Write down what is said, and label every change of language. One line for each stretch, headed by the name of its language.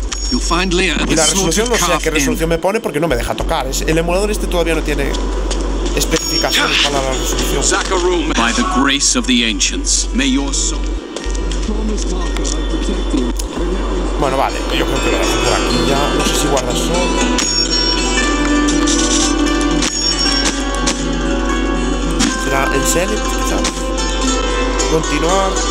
Spanish: Y la resolución, no sé qué resolución me pone porque no me deja tocar. El emulador este todavía no tiene especificaciones para la resolución.
English: By the grace of the ancients, may your soul.
Spanish: Bueno, vale, yo creo que lo dejo por aquí ya. No sé si guardas sol. ¿Será el select? Quizás. Continuar.